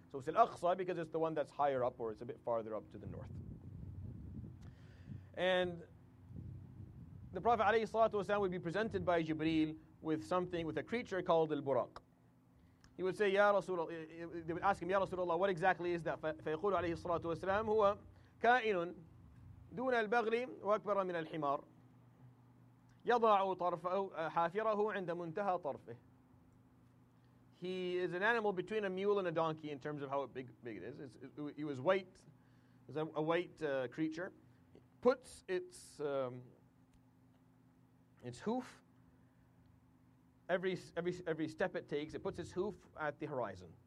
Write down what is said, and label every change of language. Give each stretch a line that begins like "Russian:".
English: So it's al-Aqsa because it's the one that's higher up, or it's a bit farther up to the north. And the Prophet alayhi salatu wasalam would be presented by Jibreel with something, with a creature called al-Buraq. He would say, Ya Rasulullah, they would ask him, Ya Rasulullah, what exactly is that?
Arabic: فيقول عليه الصلاة والسلام هو كائن دون البغل وأكبر من الحمار يضع طرفه حافره عند منتهى طرفه.
English: He is an animal between a mule and a donkey in terms of how big it is. He was white, a white creature. It puts its hoof, Every step it takes, it puts its hoof at the horizon.